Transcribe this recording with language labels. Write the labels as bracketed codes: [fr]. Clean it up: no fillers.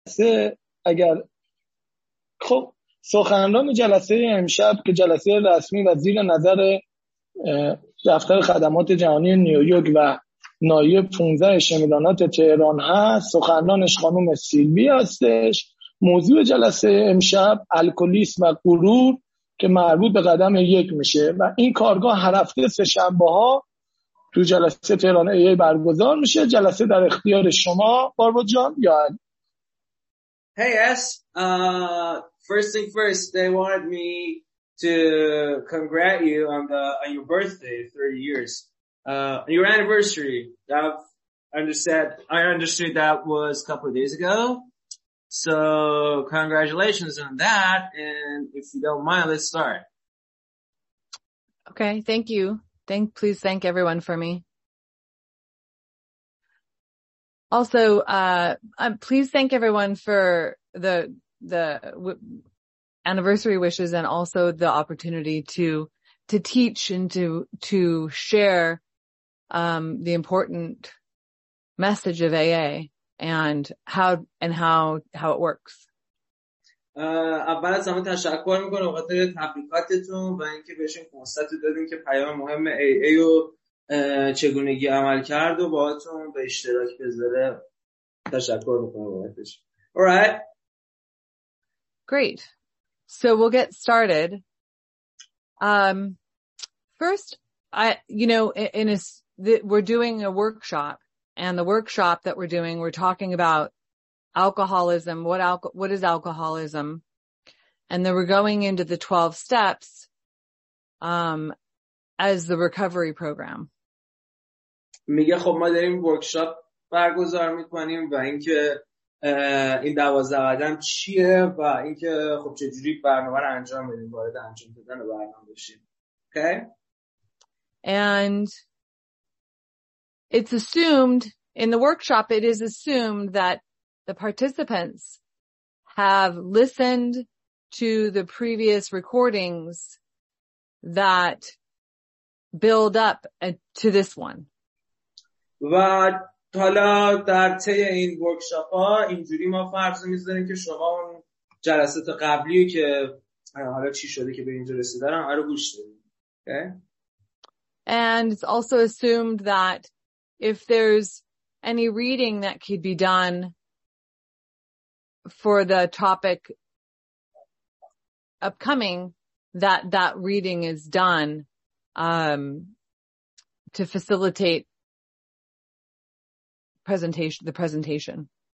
[fa] جلسه اگر خب سخنران جلسه امشب که جلسه رسمی و زیر نظر دفتر خدمات جهانی نیویورک و نایب 15 شمیدانات تهران هست، سخنرانش خانم سیلوی هستش. موضوع جلسه امشب الکلیسم و غرور که مربوط به قدم یک میشه و این کارگاه هر هفته سه شنبه ها تو جلسه تهران ای برگزار میشه. جلسه در اختیار شما باربا جان. یا [en] Hey, yes. First thing first, they wanted me to congrat you on your birthday, 30 years. Your anniversary. I understood that was a couple of days ago. So congratulations on that. And if you don't mind, let's start. Okay, thank you. Please thank everyone for me. Also, please thank everyone for the anniversary wishes and also the opportunity to teach and to share the important message of AA and how it works. [fa] اول از همه تشکر میکنم بخاطر تبلیغاتتون و اینکه بهشون فرصت دادین که پیام مهم AA رو چگونگی عمل کرد و باهاتون به اشتراک بذاره. تشکر میکنم بابتش. [en] Alright. Great. So we'll get started. First, we're doing a workshop, and the workshop that we're doing, we're talking about alcoholism. What is alcoholism? And then we're going into the 12 steps, as the recovery program. [fa] میگه خب ما داریم ورکشاپ برگزار میکنیم و اینکه این 12 قدم چیه و اینکه خب چه جوری برنامه رو انجام بدیم، وارد انجام دادن برنامه بشیم. [en] Okay. And it's assumed in the workshop, it is assumed that the participants have listened to the previous recordings that build up to this one. [fa] و حالا در طی این ورکشاپ ها اینجوری ما فرض میذاریم که شما اون جلسات قبلی که حالا چی شده که به اینجا رسیدن رو گوش دادید. [en] Okay. And it's also assumed that if there's any reading that could be done for the topic upcoming, that reading is done to facilitate the presentation.